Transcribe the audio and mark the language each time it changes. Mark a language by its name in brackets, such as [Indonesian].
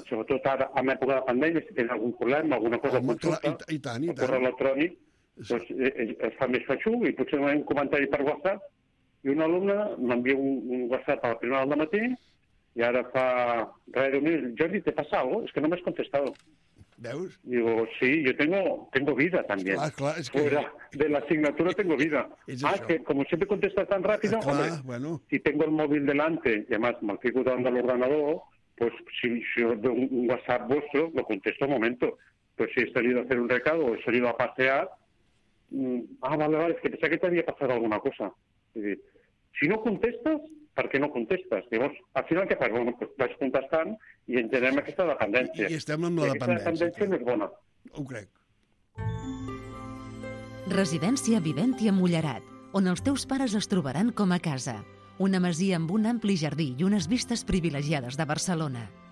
[Catalan] Sobretot ara, en època de pandèmia, si tens algun problema, alguna cosa home, consulta, clar, i tant. El correu electrònic, doncs, es fa més feixuc, i potser un comentari per WhatsApp, i un alumne m'envia un WhatsApp a la primera del matí, i ara fa res d'un mes, Jordi, [Spanish] ¿te pasa algo? [Catalan] És que no m'has contestat. Veus? [Spanish] Digo, sí, yo tengo vida también. [Catalan] Clar, és que... [Spanish] Fuera de la asignatura tengo vida. Ah, que como siempre contestas tan rápido, clar, hombre, bueno. Si tengo el móvil delante, y además me lo fico dando al ordenador, pues si yo veo un WhatsApp vuestro, lo contesto un momento. Pues si he salido a hacer un recado o he salido a pasear, vale, es que pensé que te había pasado alguna cosa. Es decir, si no contestas, [Catalan] ¿per què no contestes? Llavors, al final, què fas? Bueno, pues, vaig contestant i entenem aquesta dependència. I estem amb la dependència. Aquesta dependència no és bona. Ho crec. Residència Viventia Mollerat, on els teus pares es trobaran com a casa. Una masia amb un ampli jardí i unes vistes privilegiades de Barcelona.